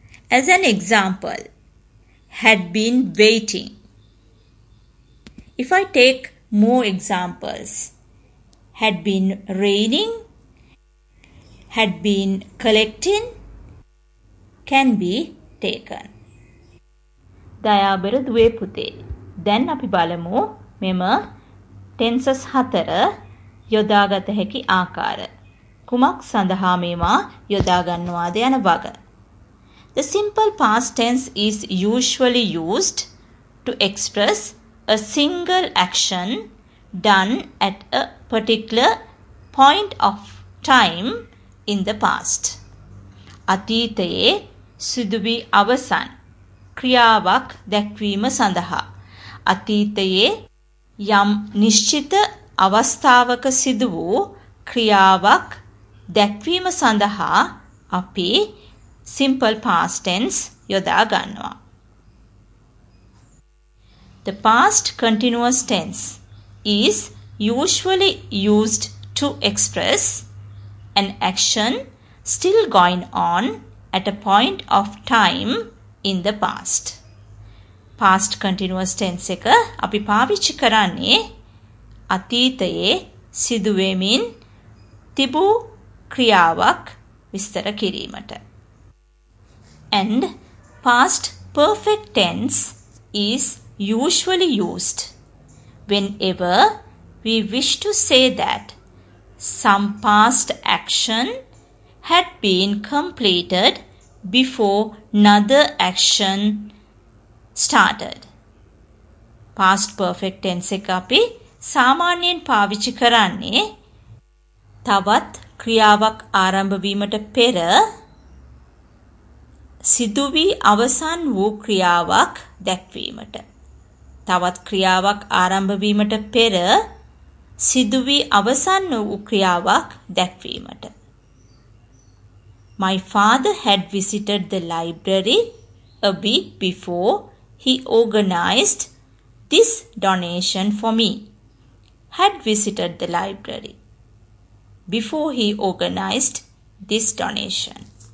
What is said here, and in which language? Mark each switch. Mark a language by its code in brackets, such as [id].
[en] As an example, had been waiting. If I take more examples, had been raining, had been collecting, can be taken. [si] දයාබර දුවේ පුතේ. දැන් අපි බලමු මෙම tenses හතර යොදාගත හැකි ආකාර. කුමක් සඳහා මේවා යොදා ගන්නවාද යන වග. [en] The simple past tense is usually used to express a single action done at a particular point of time in the past. [si] අතීතයේ සිදුවි අවසන් ක්‍රියාවක් දැක්වීම සඳහා අතීතයේ යම් නිශ්චිත අවස්ථාවක සිදු වූ ක්‍රියාවක් දැක්වීම සඳහා අපි simple past tense යොදා ගන්නවා. [en] The past continuous tense is usually used to express an action still going on at a point of time in the past. [si] Past continuous tense එක අපි පාවිච්චි කරන්නේ අතීතයේ සිදුවෙමින් තිබූ ක්‍රියාවක් විස්තර කිරීමට. [en] And past perfect tense is usually used whenever we wish to say that some past action had been completed before another action started. [si] Past perfect tense එක අපි සාමාන්‍යයෙන් පාවිච්චි කරන්නේ තවත් ක්‍රියාවක් ආරම්භ වීමට පෙර සිදුවි අවසන් වූ ක්‍රියාවක් දැක්වීමට. තවත් ක්‍රියාවක් ආරම්භ වීමට පෙර සිදුවි අවසන් වූ ක්‍රියාවක් දැක්වීමට. [en] My father had visited the library a week before he organized this donation for me. Had visited the library before he organized this donation.